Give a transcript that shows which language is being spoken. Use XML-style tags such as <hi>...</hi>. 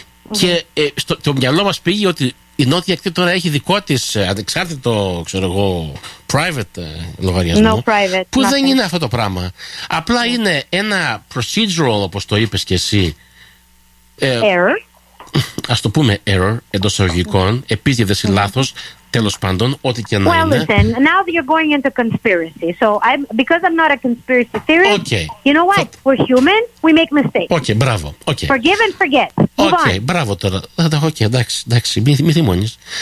<el>Και το μυαλό μας πήγε ότι η Νότια Ακτή τώρα έχει δικό της ανεξάρτητο, ξέρω εγώ, private λογαριασμό.</el> <en>No private.</en> <el>Που δεν είναι αυτό το πράγμα. Απλά είναι ένα procedural, όπως το είπες και εσύ.</el> <en>Error.</en> <el>Ας το πούμε error, εντός εισαγωγικών, επίσης λάθος, τέλος πάντων, ό,τι και να well, είναι.</el> <en>Well, listen, now that you're going into conspiracy, so because I'm not a conspiracy theorist, okay. You know what, we're human, we make mistakes.</en> <el>Okay, μπράβο. Okay.</el> <en>Forgive and forget.</en> <el>Okay, μπράβο τώρα. Okay, εντάξει, μη θυμώνεις.</el>